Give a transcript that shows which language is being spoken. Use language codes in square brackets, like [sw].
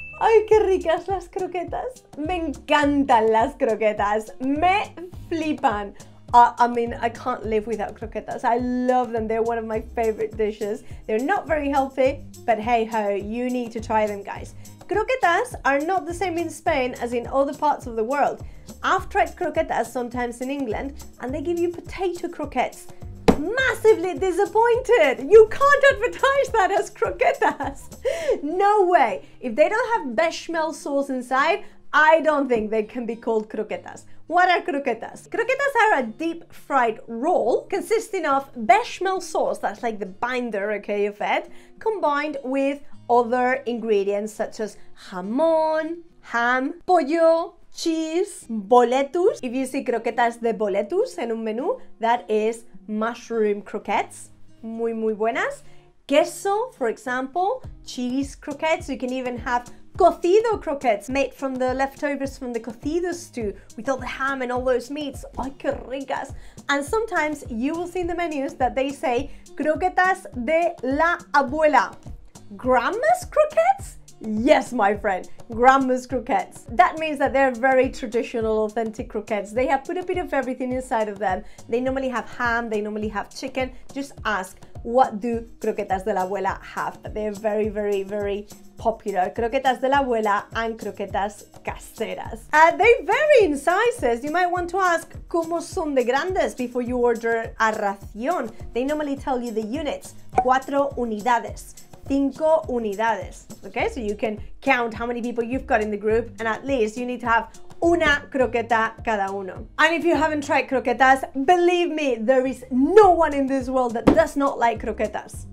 [es] Ay, qué ricas las croquetas. Me encantan las croquetas. Me flipan. [en] I mean, I can't live without croquetas. I love them. They're one of my favorite dishes. They're not very healthy, but hey ho, you need to try them, guys. Croquetas are not the same in Spain as in other parts of the world. I've tried croquetas sometimes in England and they give you potato croquettes. Massively disappointed. You can't advertise that as croquetas. No way. If they don't have bechamel sauce inside, I don't think they can be called croquetas. What are croquetas? Croquetas are a deep fried roll consisting of bechamel sauce, that's like the binder, okay, of it, combined with other ingredients such as jamón, ham, pollo, cheese, boletus. If you see croquetas de boletus en un menú, that is mushroom croquettes, [es] muy, muy buenas. [en] Queso, for example, cheese croquettes, you can even have cocido croquettes made from the leftovers from the cocido stew with all the ham and all those meats. [es] Ay, que ricas. [en] And sometimes you will see in the menus that they say croquetas de la abuela. Grandma's croquettes? Yes, my friend, grandma's croquettes. That means that they're very traditional, authentic croquettes. They have put a bit of everything inside of them. They normally have ham, they normally have chicken. Just ask, what do croquetas de la abuela have? They're very, very, very popular. [es] Croquetas de la abuela and croquetas caseras. [en] They vary in sizes. You might want to ask, [es] ¿cómo son de grandes? [en] Before you order a ración. They normally tell you the units, 4 unidades. 5 unidades, okay? So you can count how many people you've got in the group, and at least you need to have [es] una croqueta cada uno. [en] And if you haven't tried croquetas, believe me, there is no one in this world that does not like croquetas.